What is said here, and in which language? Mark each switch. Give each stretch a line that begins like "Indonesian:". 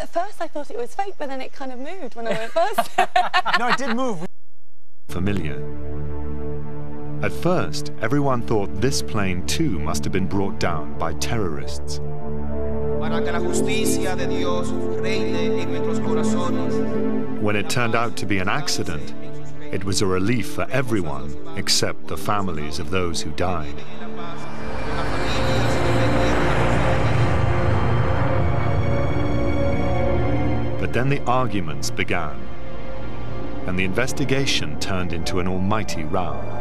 English: At first I thought it was fake, but then it kind of moved when I went first. No, it did move. Familiar. At first, everyone thought this plane too must have been brought down by terrorists.
Spanish: Para que la justicia de Dios reine en nuestros corazones.
English: When it turned out to be an accident, it was a relief for everyone except the families of those who died. But then the arguments began, and the investigation turned into an almighty row.